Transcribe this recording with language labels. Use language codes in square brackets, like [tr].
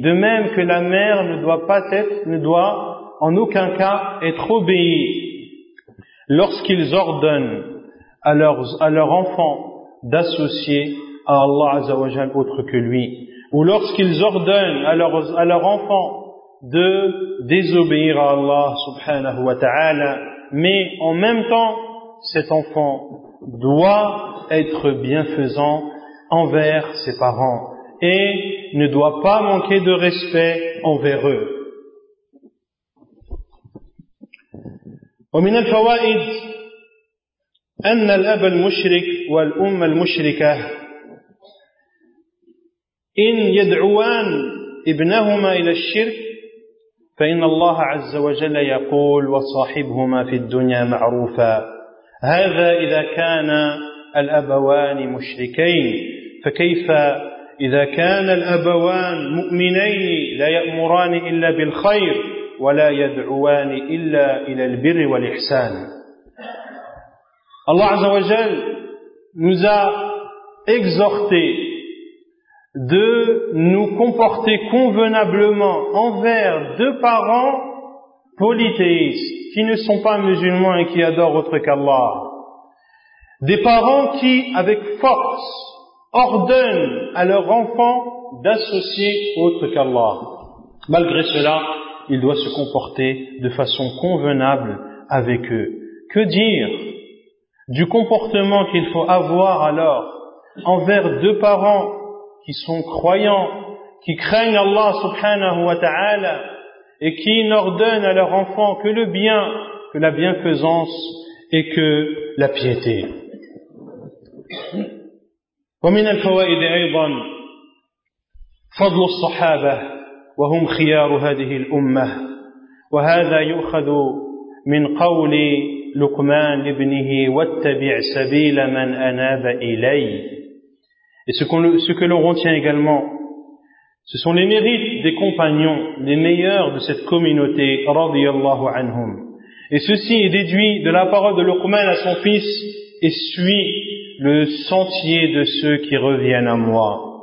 [fr] De même que la mère ne doit en aucun cas être obéie lorsqu'ils ordonnent à leur enfant d'associer à Allah Azza wa Jal autre que lui, ou lorsqu'ils ordonnent à leur enfant de désobéir à Allah subhanahu wa ta'ala, mais en même temps cet enfant doit être bienfaisant envers ses parents et ne doit pas manquer de respect envers eux. [ar] ومن الفوائد أن الأب المشرك والأم المشركة إن يدعوان ابنهما إلى الشرك فإن الله عز وجل يقول وصاحبهما في الدنيا معروفا هذا إذا كان الأبوان مشركين فكيف إذا كان الأبوان مؤمنين لا يأمران إلا بالخير ولا يدعوان إلا إلى البر والإحسان؟ الله عز وجل [fr] nous a exhorté de nous comporter convenablement envers deux parents polythéistes qui ne sont pas musulmans et qui adorent autre qu'Allah. Des parents qui, avec force, ordonnent à leur enfant d'associer autre qu'Allah. Malgré cela, il doit se comporter de façon convenable avec eux. Que dire du comportement qu'il faut avoir alors envers deux parents qui sont croyants, qui craignent Allah subhanahu wa ta'ala et qui n'ordonnent à leur enfant que le bien, que la bienfaisance et que la piété? [ar] ومن الفوائد أيضا فضل الصحابة وهم خيار هذه الأمة، وهذا يؤخذ من قول لقمان لابنه واتبع سبيل من أناب إلي. [fr] Et ce que l'on retient également, ce sont les mérites des compagnons, les meilleurs de cette communauté, radiyallahu anhum. Et ceci est déduit de la parole de Luqman à son fils, et suit le sentier de ceux qui reviennent à moi.